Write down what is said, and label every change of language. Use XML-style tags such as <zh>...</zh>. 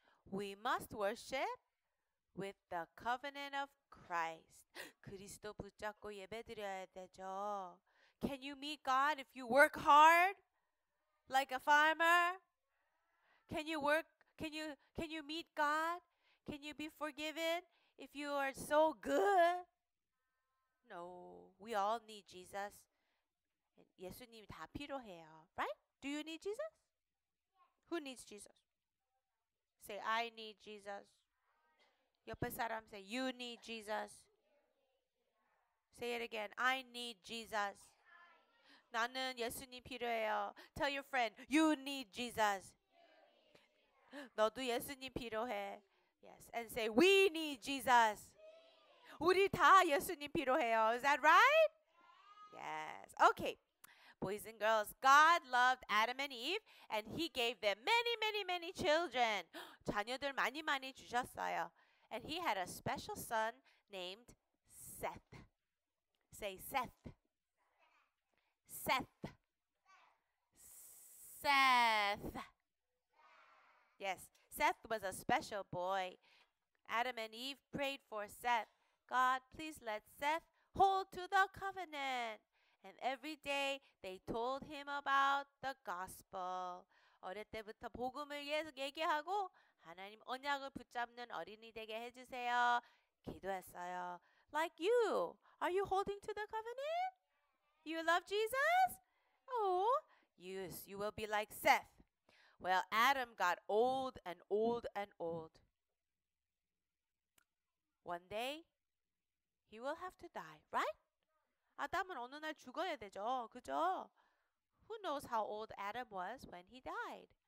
<en>We must worship with the covenant of Christ.</en> <ko>그리스도 붙잡고 예배드려야 되죠.</ko> <en>Can you meet God if you work hard like a farmer? Can you meet God? Can you be forgiven if you are so good? No, we all need Jesus.</en> <ko>예수님이 다 필요해요.</ko> <en>Right? Do you need Jesus? Who needs Jesus? Say, I need Jesus.</en> <ko>옆에 사람</ko> <en>say, you need Jesus. Say it again. I need Jesus.</en> <ko>나는 예수님 필요해요.</ko> <en>Tell your friend, you need Jesus.</en> <ko>너도 예수님 필요해.</ko> <en>Yes. And say, we need Jesus.</en> <ko>우리 다 예수님 필요해요.</ko> <en>Is that right? Yes. Okay. Boys and girls, God loved Adam and Eve, and he gave them many, many, many children.</en> <ko>자녀들 많이 많이 주셨어요.</ko> <en>And he had a special son named Seth. Say Seth. Seth. Seth. Yes, Seth was a special boy. Adam and Eve prayed for Seth. God, please let Seth hold to the covenant. And every day, they told him about the gospel.</en> <ko>어릴 때부터 복음을 얘기하고 하나님 언약을 붙잡는 어린이 되게 해주세요. 기도했어요.</ko> <en>Like you, are you holding to the covenant? You love Jesus? Oh, yes, you will be like Seth. Well, Adam got old and old and old. One day, he will have to die, right?</en> <ko>아담은 어느 날 죽어야 되죠, 그죠?</ko> <en>Who knows how old Adam was when he died?</en>